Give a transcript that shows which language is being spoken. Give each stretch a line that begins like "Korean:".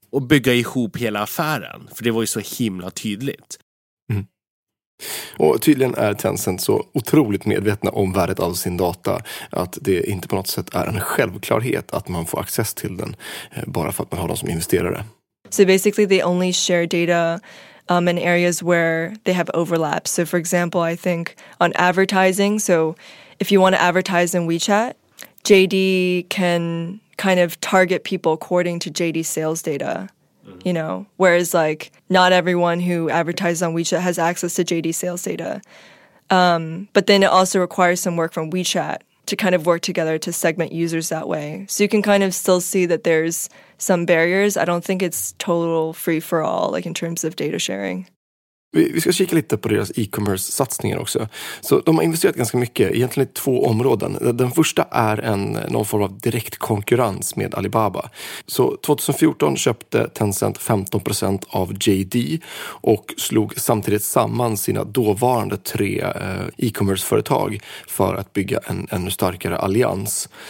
Swedish: Och bygga ihop hela affären. För det var ju så himla tydligt. Och tydligen är Tencent så otroligt medvetna om värdet av sin data att det inte på något sätt är en självklarhet att man får access till den bara för att man har dem som investerare.
English: So basically they only share data in areas where they have overlap. So for example, I think on advertising, so if you want to advertise in WeChat, JD can kind of target people according to JD sales data. You know, whereas like not everyone who advertises on WeChat has access to JD sales data. But then it also requires some work from WeChat to kind of work together to segment users that way. So you can kind of still see that there's some barriers. I don't think it's total free for all, like in terms of data sharing.
Swedish: Vi ska kika lite på deras e-commerce-satsningar också. Så de har investerat ganska mycket, egentligen i två områden. Den första är någon form av direkt konkurrens med Alibaba. Så 2014 köpte Tencent 15% av JD och slog samtidigt samman sina dåvarande tre e-commerce-företag för att bygga en ännu starkare allians.